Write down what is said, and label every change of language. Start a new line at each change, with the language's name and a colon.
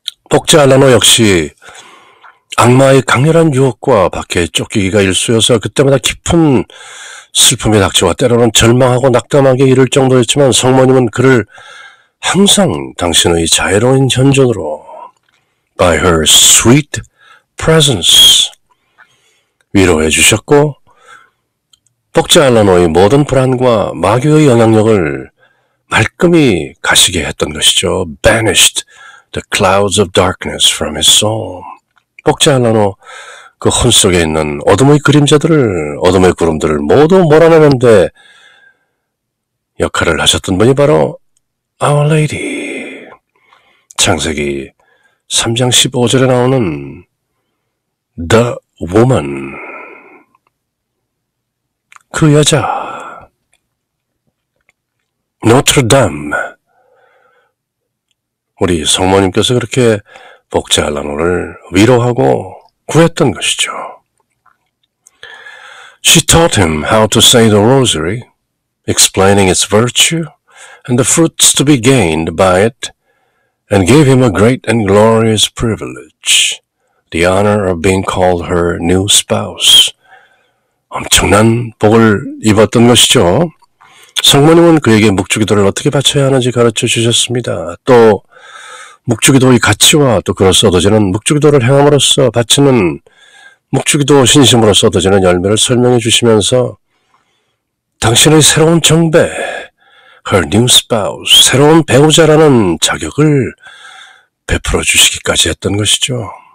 Korean: 복자 알라노 역시 악마의 강렬한 유혹과 박해에 쫓기기가 일쑤여서 그때마다 깊은 슬픔이 닥쳐와 때로는 절망하고 낙담하게 이를 정도였지만 성모님은 그를 항상 당신의 자애로운 현존으로
English: By her sweet presence
Korean: 위로해 주셨고 복자 알라노의 모든 불안과 마귀의 영향력을 말끔히 가시게 했던 것이죠.
English: Banished the clouds of darkness from his soul.
Korean: 복자 알라노 그 혼 속에 있는 어둠의 그림자들을, 어둠의 구름들을 모두 몰아내는 데 역할을 하셨던 분이 바로 Our Lady. 창세기 3장 15절에 나오는 The Woman. 그 여자, 노트르담, 우리 성모님께서 그렇게 복자 알라노를 위로하고 구했던 것이죠.
English: She taught him how to say the rosary, explaining its virtue and the fruits to be gained by it, and gave him a great and glorious privilege, the honor of being called her new spouse.
Korean: 엄청난 복을 입었던 것이죠. 성모님은 그에게 묵주기도를 어떻게 바쳐야 하는지 가르쳐 주셨습니다. 또 묵주기도의 가치와 또 그로써 얻어지는 묵주기도를 행함으로써 바치는 묵주기도 신심으로써 얻어지는 열매를 설명해 주시면서 당신의 새로운 정배,
English: her new spouse,
Korean: 새로운 배우자라는 자격을 베풀어 주시기까지 했던 것이죠.